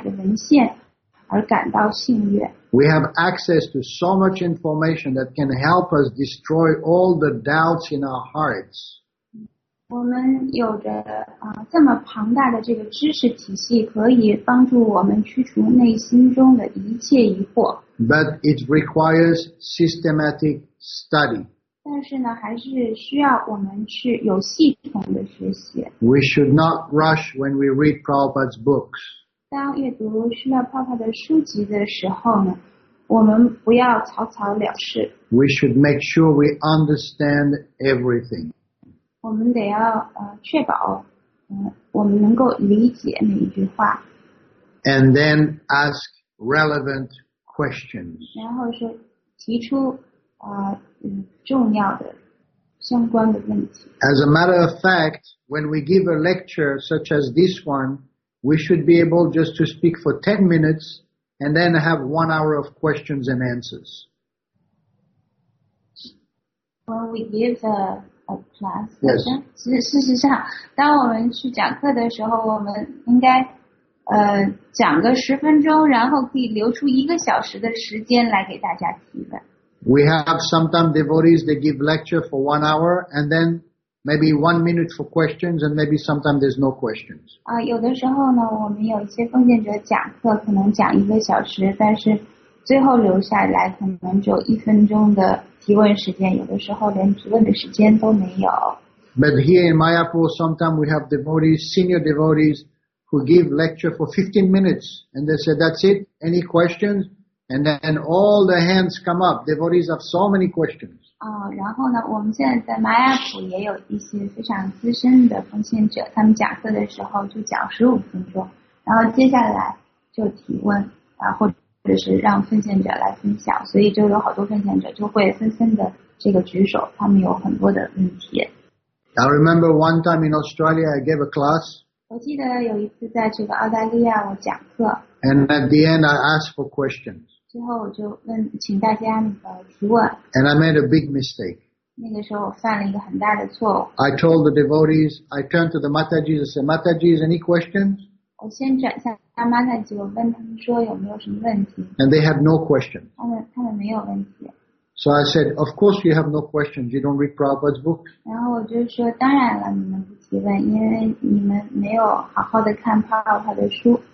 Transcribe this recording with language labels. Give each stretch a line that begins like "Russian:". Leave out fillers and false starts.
Chinese: 所以呢，作为在修习的像我们这样的这些奉献者，就应当为我们有机会能够接触到如此浩如烟海的文献而感到幸运。
English: We have access to so much information that can help us destroy all the doubts in our hearts.
Chinese: 我们有着这么庞大的这个知识体系，可以帮助我们驱除内心中的一切疑惑。
English: But it requires systematic study.
Chinese: 但是呢，还是需要我们去有系统的学习。
English: We should not rush when we read Prabhupada's books.
Chinese: 当阅读Srila Prabhupada的书籍的时候呢，我们不要草草了事。
English: We should make sure we understand everything.
Chinese: 我们得要确保我们能够理解每一句话。
English: And then ask relevant questions.
Chinese: 然后是提出重要的相关的问题。
English: As a matter of fact, when we give a lecture such as this one, we should be able just to speak for 10 minutes and then have 1 hour of questions and answers. When we give a class session,
Chinese: 事实上，当我们去讲课的时候，我们应该讲个十分钟，然后可以留出一个小时的时间来给大家提问。
English: We have sometimes devotees, they give lecture for 1 hour, and then maybe 1 minute for questions, and maybe sometimes there's no questions.
Chinese: 有的时候呢，我们有一些奉献者讲课，可能讲一个小时，但是最后留下来可能只有一分钟的提问时间，有的时候连提问的时间都没有。
English: But here in Mayapur, sometimes we have devotees, senior devotees, who give lecture for 15 minutes, and they say, that's it, any questions? And then all the hands come up. Devotees have so many questions.
Chinese: 然后呢，我们现在在玛雅普也有一些非常资深的奉献者，他们讲课的时候就讲15分钟，然后接下来就提问，或者是让奉献者来分享，所以就有好多奉献者就会纷纷的这个举手，他们有很多的问题。
English: I remember one time in Australia, I gave a class.
Chinese: 我记得有一次在这个澳大利亚我讲课。
English: And at the end, I asked for questions.
Chinese: 最后我就问，请大家提问。
English: And I made a big mistake.
Chinese: 那个时候我犯了一个很大的错误。
English: I told the devotees, I turned to the Matajis and said, Matajis, any questions?
Chinese: 我先转向他 Mataji, 我问他们说有没有什么问题。
English: And they had no questions.
Chinese: 他们没有问题。
English: So I said, of course you have no questions, you don't read Prabhupada's book.
Chinese: 然后我就说，当然了，你们不提问，因为你们没有好好的看 Prabhupada 的书。